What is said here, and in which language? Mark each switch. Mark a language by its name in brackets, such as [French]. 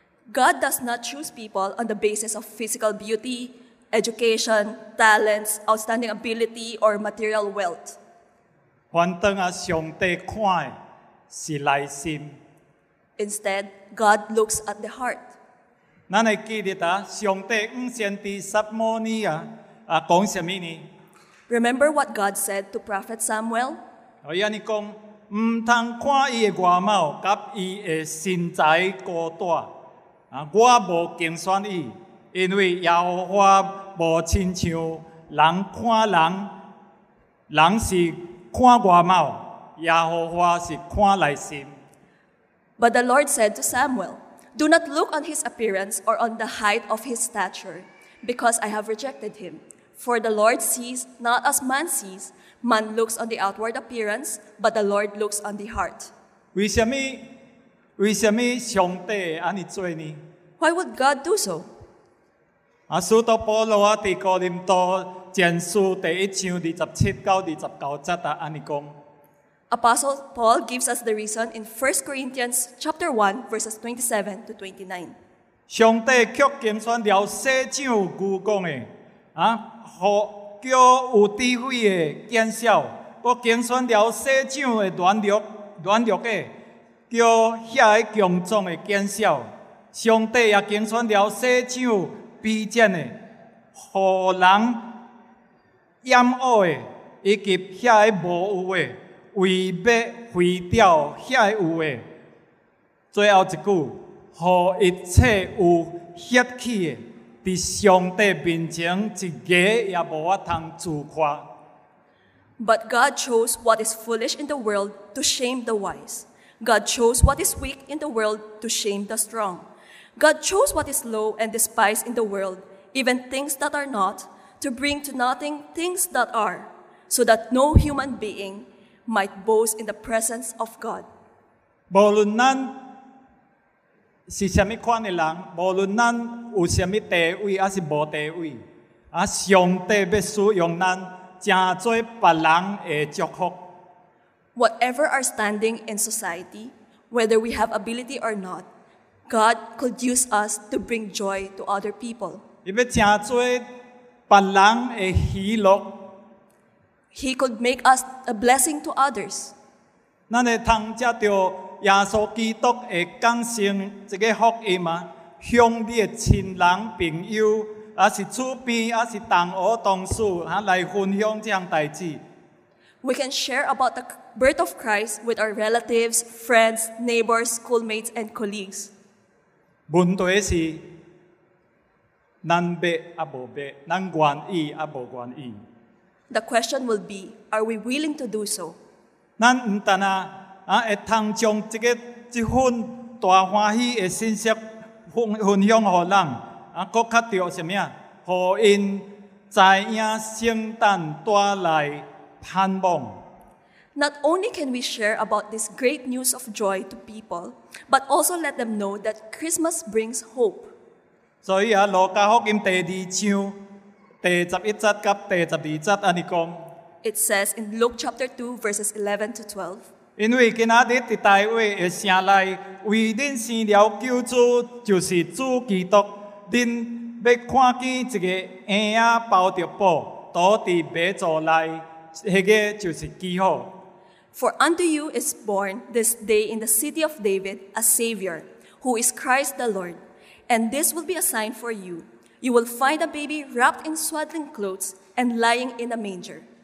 [English] God does not choose people on the basis of physical beauty, education, talents, outstanding ability, or material wealth. [Min Nan Chinese] 反正啊，上帝看的是内心。 [English] Instead, God looks at the heart. [Min Nan Chinese] 咱会记得啊，上帝五先知撒摩尼啊，啊讲什么呢 [English] ？Remember what God said to Prophet Samuel? [Min Nan Chinese] 我要你讲，唔通看伊的外貌，甲伊的身材高大。我无竞选伊，因为耶和华无亲像人看人，人是看外貌，耶和华是看内心。 [English] But the Lord said to Samuel, "Do not look on his appearance or on the height of his stature, because I have rejected him. For the Lord sees not as man sees. Man looks on the outward appearance, but the Lord looks on the heart." [Min Nan Chinese] 为什么？为什么上帝会安尼做呢 [English] ？Why would God do so？ [Min Nan Chinese] 啊，使徒保罗啊，在哥林多前书第一章27-29节啊，安尼讲。 [English] Apostle Paul gives us the reason in 1 Corinthians chapter 1 verses 27 to 29. [Min Nan Chinese] 上帝却拣选了世上愚公的，啊，和叫有智慧的见笑，佮拣选了世上的软弱的。叫遐个强壮的见笑，上帝也拣选了世上卑贱的、互人厌恶的，以及遐个无有的，为要毁掉遐个有的。最后一句，互一切有血气的，在上帝面前一个也无法通自夸。 [English] But God chose what is foolish in the world to shame the wise. God chose what is weak in the world to shame the strong. God chose what is low and despised in the world, even things that are not, to bring to nothing things that are, so that no human being might boast in the presence of God. [Min Nan Chinese] 无论咱是什么款的人，无论咱有什么地位还是无地位，啊，上帝要使用咱，成做别人的祝福。 [English] Whatever our standing in society, whether we have ability or not, God could use us to bring joy to other people. He could make us a blessing to others. We can share about the birth of Christ with our relatives, friends, neighbors, schoolmates, and colleagues. [Min Nan Chinese] 问题是，咱要啊无要，咱愿意啊无愿意。 [English] The question will be, are we willing to do so? [Min Nan Chinese] 咱唔单啊啊会通将这份大欢喜的信息分享予人，啊，搁较着什么啊？予因知影圣诞带来盼望。 [English] Not only can we share about this great news of joy to people, but also let them know that Christmas brings hope. [Min Nan Chinese] 所以啊，路加福音第二章第十一节甲第十二节安尼讲。 [English] It says in Luke chapter 2 verses 11 to 12. [Min Nan Chinese] 因为今仔日伫大卫的城内为恁生了救主，就是主基督。恁要看见一个婴仔包着布，躲伫马槽内，迄个就是基督。 [English] For unto you is born this day in the city of David a Savior, who is Christ the Lord. And this will be a sign for you. You will find a baby wrapped in swaddling clothes and lying in a manger.